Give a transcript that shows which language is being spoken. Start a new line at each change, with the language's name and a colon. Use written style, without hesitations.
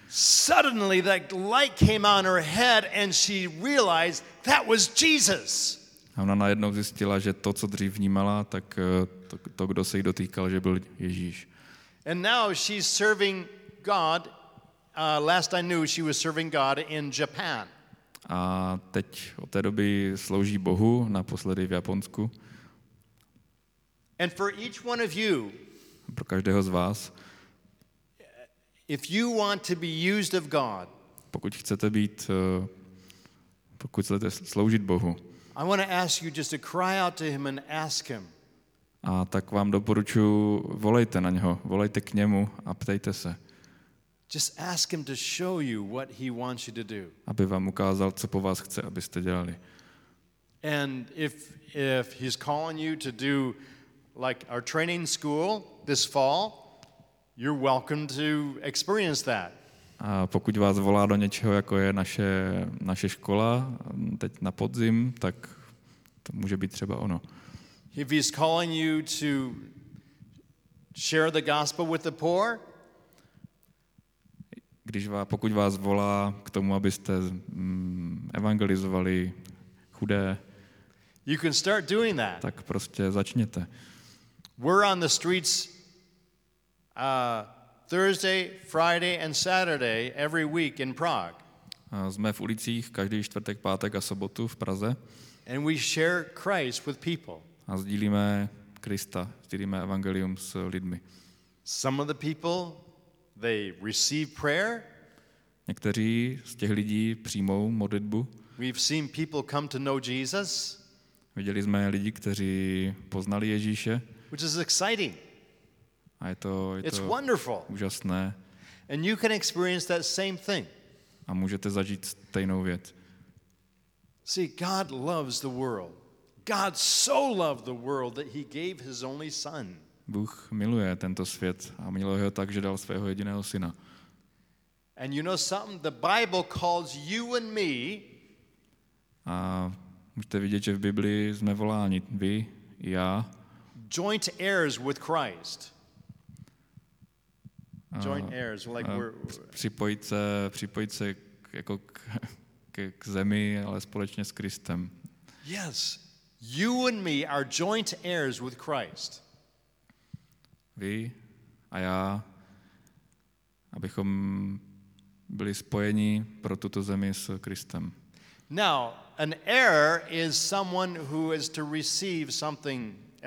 English: Suddenly that light came on her head and she realized that was Jesus.
Czech: A ona najednou zjistila, že to, co dřív vnímala, tak to, kdo se jí dotýkal, že byl Ježíš.
English: And now she's serving God. Last I knew, she was serving God in Japan.
Czech: A teď od té doby slouží Bohu, naposledy v Japonsku.
English: And for each one of you,
Czech: pro každého z vás,
English: if you want to be used of God,
Czech: pokud chcete sloužit Bohu,
English: I want to ask you just to cry out to him and ask him.
Czech: A tak vám doporučuji, volejte na něho, volejte k němu a ptejte se.
English: Just ask him to show you what he wants you to do.
Czech: Aby vám ukázal, co po vás chce, abyste dělali.
English: And if he's calling you to do like our training school this fall, you're welcome to experience that.
Czech: A pokud vás volá do něčeho, jako je naše škola teď na podzim, tak to může být třeba ono.
English: If he's calling you to share the gospel with the poor,
Czech: pokud vás volá k tomu, abyste evangelizovali chudé,
English: you can start doing that.
Czech: Tak prostě začněte.
English: We're on the streets Thursday, Friday and Saturday every week in Prague.
Czech: Jsme v ulicích každý čtvrtek, pátek a sobotu v Praze.
English: And we share Christ with people.
Czech: A sdílíme Krista, sdílíme evangelium s lidmi.
English: Some of the people, they receive prayer.
Czech: Někteří z těch lidí přijmou modlitbu.
English: We've seen people come to know Jesus.
Czech: Viděli jsme lidi, kteří poznali Ježíše.
English: Which is exciting.
Czech: A je to
English: it's wonderful.
Czech: Úžasné.
English: And you can experience that same thing.
Czech: A můžete zažít stejnou věc.
English: See, God loves the world. God so loved the world that he gave his only son.
Czech: Bůh miluje tento svět a miluje ho tak, že dal svého jediného syna.
English: And you know something? The Bible calls you and me.
Czech: A můžete vidět, že v Biblii jsme voláni vy, já.
English: Joint heirs with Christ. Joint heirs, like we're
Czech: připojit se jako k zemi, ale společně s Kristem.
English: Yes, you and me are joint heirs with Christ.
Czech: Vy a já, abychom byli spojeni pro tuto zemi s Kristem.
English: Now, an heir is someone who is to receive something.